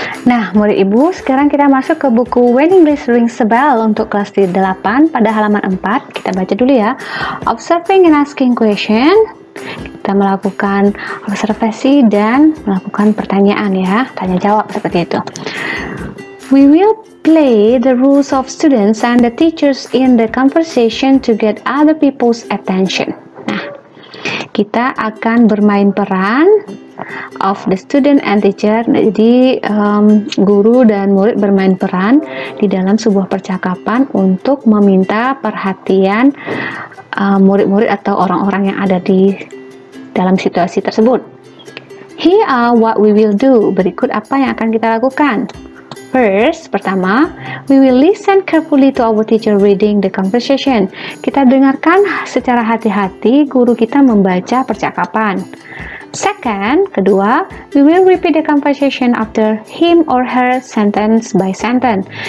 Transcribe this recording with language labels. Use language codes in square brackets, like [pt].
[id] Nah, murid ibu, sekarang kita masuk ke buku When English Rings a Bell untuk kelas 8 pada halaman 4. Kita baca dulu ya. [en] Observing and asking question. [id] kita melakukan observasi dan melakukan pertanyaan ya, tanya jawab seperti itu. [en] We will play the roles of students and the teachers in the conversation to get other people's attention. [id] Nah, kita akan bermain peran [en] of the student and teacher. [id] Nah, jadi guru dan murid bermain peran di dalam sebuah percakapan untuk meminta perhatian murid-murid atau orang-orang yang ada di dalam situasi tersebut. [en] Here are what we will do. [id] Berikut apa yang akan kita lakukan. [en] First, pertama, we will listen carefully to our teacher reading the conversation. [id] Kita dengarkan secara hati-hati guru kita membaca percakapan. [en] Second, kedua, we will repeat the conversation after him or her sentence by sentence.